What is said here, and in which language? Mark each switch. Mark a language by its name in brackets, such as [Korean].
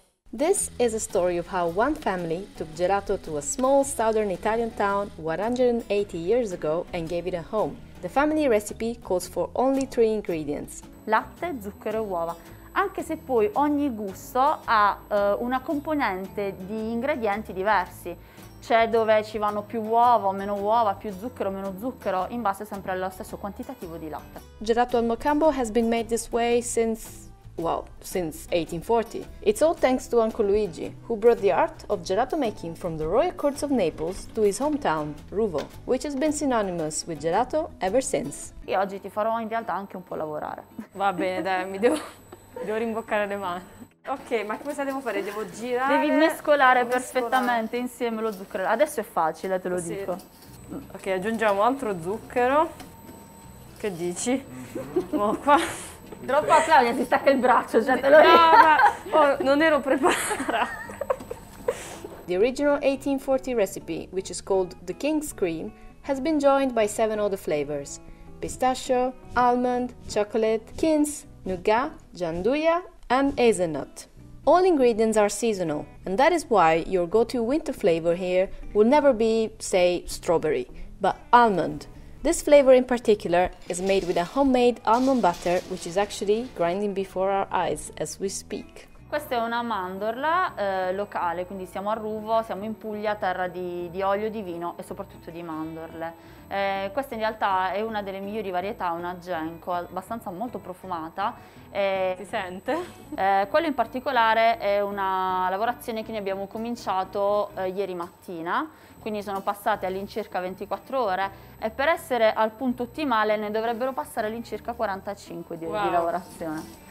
[English] This is a story of how one family took gelato to a small southern Italian town 180 years ago and gave it a home. The family recipe calls for only 3 ingredients. [Italian] Latte, zucchero e uova, anche se poi ogni gusto ha una componente di ingredienti diversi. C'è dove ci vanno più uova o meno uova, più zucchero o meno zucchero, in base sempre allo stesso quantitativo di latte. [English] Gelato al Mocambo has been made this way since, well, since 1840. It's all thanks to Uncle Luigi, who brought the art of gelato making from the royal courts of Naples to his hometown, Ruvo, which has been synonymous with gelato ever since. [Italian] E oggi ti farò in realtà anche un po' lavorare. Va bene, dai, mi devo rimboccare le mani. Ok, ma come se devo fare? Devo girare? Devi mescolare perfettamente insieme lo zucchero. Adesso è facile, te lo dico. Ok, aggiungiamo altro zucchero. Che dici? Qua. Troppo a Claudia, si stacca il braccio, cioè te lo no, ma, oh, non ero preparata. [English] The original 1840 recipe, which is called the King's Cream, has been joined by 7 other flavors: pistachio, almond, chocolate, quince, nougat, gianduia, and hazelnut. All ingredients are seasonal, and that is why your go-to winter flavor here will never be, say, strawberry, but almond. This flavor in particular is made with a homemade almond butter, which is actually grinding before our eyes as we speak. [Italian] Questa è una mandorla locale, quindi siamo a Ruvo, siamo in Puglia, terra di olio, di vino e soprattutto di mandorle. Questa in realtà è una delle migliori varietà, una genco, abbastanza molto profumata. Si sente? Quello in particolare è una lavorazione che ne abbiamo cominciato ieri mattina, quindi sono passate all'incirca 24 ore e per essere al punto ottimale ne dovrebbero passare all'incirca 45 di lavorazione.